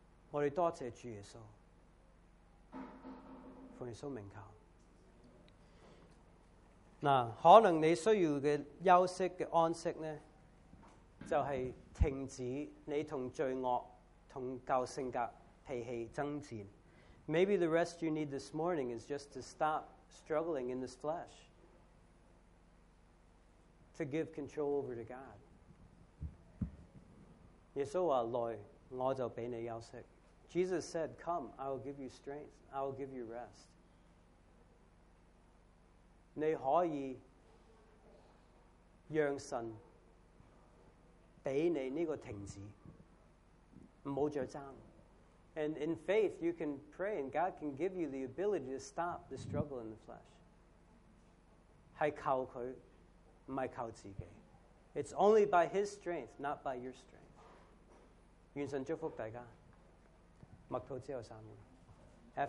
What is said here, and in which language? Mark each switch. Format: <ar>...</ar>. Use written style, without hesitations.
<zh>我们多谢主耶稣，奉耶稣名求。可能你需要的休息的安息呢，就是停止你和罪恶和旧性格脾气争战。</zh> <en>Maybe the rest you need this morning is just to stop struggling in this flesh, to give control over to God.</en> <zh>耶稣说，来，我就给你休息。</zh> <en>Jesus said, come, I will give you strength, I will give you rest.</en> <zh>你可以让神给你这个停止，不要再争。</zh> <en>And in faith, you can pray, and God can give you the ability to stop the struggle in the flesh.</en> <zh>是靠祂，不是靠自己。</zh> <en>It's only by His strength, not by your strength.</en> <zh>愿神祝福大家，默祷之后三年。</zh>